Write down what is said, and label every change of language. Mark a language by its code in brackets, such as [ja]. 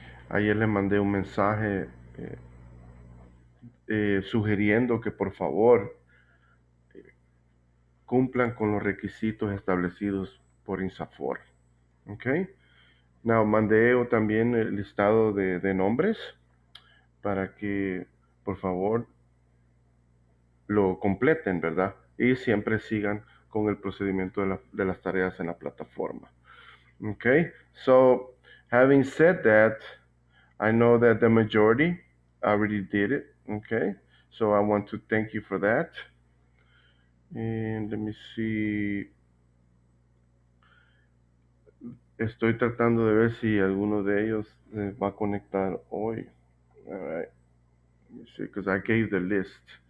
[es] Ayer le mandé un mensaje sugiriendo que por favor cumplan con los requisitos establecidos por INSAFOR. Okay. Now, mandé también el listado de nombres para que, por favor, lo completen, ¿verdad? Y siempre sigan con el procedimiento de las tareas en la plataforma. [en] Okay. So, having said that, I know that the majority already did it. Okay. So, I want to thank you for that. And let me see. [es] Estoy tratando de ver si alguno de ellos se va a conectar hoy. [en] All right. Let me see, because I gave the list.